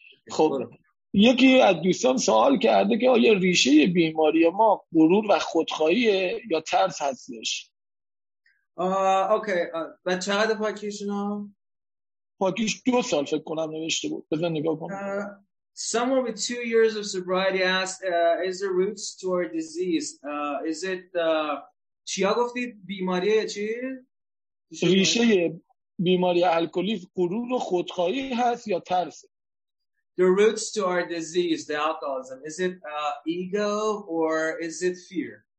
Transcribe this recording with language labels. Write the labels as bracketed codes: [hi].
[fa] خب یکی از دوستان سوال کرده که آیا ریشه بیماری ما غرور و خودخواهیه یا ترس هستش؟ اوکی و چقدر پاکیشنا؟ پاکیش دو سال فکر کنم نوشته بود، بزن نگاه کنم. [en] Someone with 2 years of sobriety asked, is there roots to our disease? Is it [fa] چیا گفتید؟ بیماری یا چی؟ ریشه بیماری الکلیسم غرور و خودخواهی هست یا ترس؟ [en] The roots to our disease, the alcoholism, is it ego or is it fear?